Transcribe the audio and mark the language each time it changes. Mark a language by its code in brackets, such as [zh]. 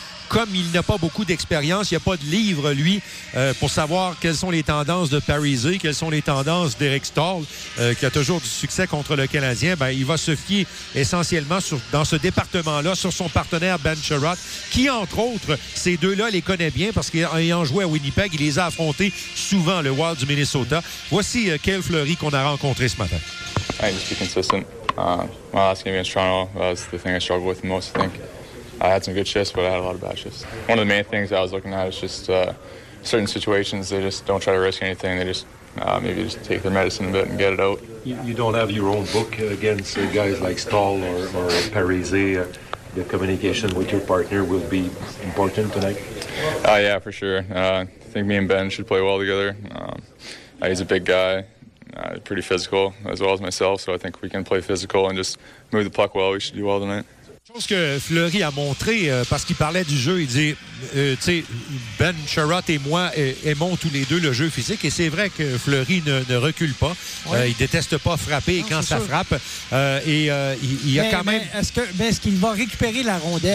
[fr] comme il n'a pas beaucoup d'expérience, il n'y a pas de livre, lui, pour savoir quelles sont les tendances de Parise, quelles sont les tendances d'Eric Staal, qui a toujours du succès contre le Canadien, ben, il va se fier essentiellement dans ce département-là sur son partenaire Ben Chiarot, qui, entre autres, ces deux-là les connaît bien parce qu'ayant joué à Winnipeg, il les a affrontés souvent, le Wild du Minnesota. Voici Cale Fleury qu'on a rencontré ce matin. [en] Hey, just be consistent. My last game against Toronto, that's the thing I struggle with most, I think. I had some good shifts, but I had a lot of bad shifts. One of the main things I was looking at is just certain situations, they just don't try to risk anything. They just maybe just take their medicine a bit and get it out. You don't have your own book against guys like Staal or Parise. the communication with your partner will be important tonight? Yeah, for sure. I think me and Ben should play well together. He's a big guy, pretty physical, as well as myself, so I think we can play physical and just move the puck well. We should do well tonight. [fr] Chose que Fleury a montré, parce qu'il parlait du jeu, il dit, tu sais, Ben Sherratt et moi aimons tous les deux le jeu physique, et c'est vrai que Fleury ne recule pas. Ouais. Il déteste pas frapper quand ça frappe. Est-ce qu'il va récupérer la rondelle?